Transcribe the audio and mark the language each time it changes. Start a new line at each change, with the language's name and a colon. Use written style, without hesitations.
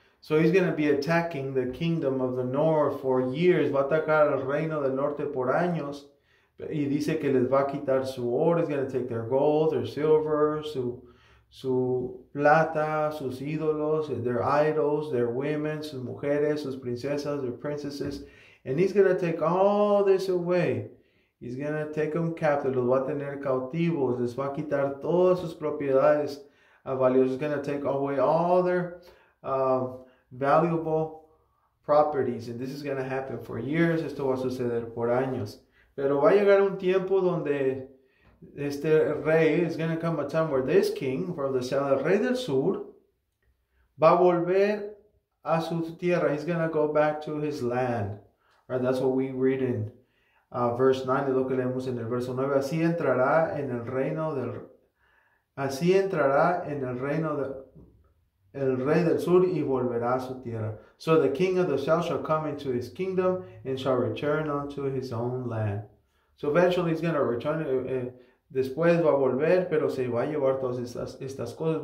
English: So he's going to be attacking the kingdom of the north for years.
Spanish: Va a atacar al reino del norte por años, y dice que les va a quitar su oro.
English: He's going to take their gold, their silver,
Spanish: su plata, sus ídolos,
English: their idols, their women,
Spanish: sus mujeres, sus princesas,
English: their princesses. And he's going to take all this away. He's going to take them captive.
Spanish: Los va a tener cautivos. Les va a quitar todas sus propiedades valiosas.
English: He's going to take away all their valuable properties. And this is going to happen for years.
Spanish: Esto va a suceder por años. Pero va a llegar un tiempo donde este rey,
English: is going to come a time where this king from the south,
Spanish: el rey del sur, va a volver a su tierra.
English: He's going to go back to his land. Right, that's what we read in verse 9,
Spanish: lo que leemos en el verso 9. Así entrará en el reino del Así entrará en el reino de el rey del sur y volverá a su tierra.
English: So the king of the south shall come into his kingdom and shall return unto his own land. So eventually he's going to return.
Spanish: Después va a volver, pero se va a llevar todas estas cosas.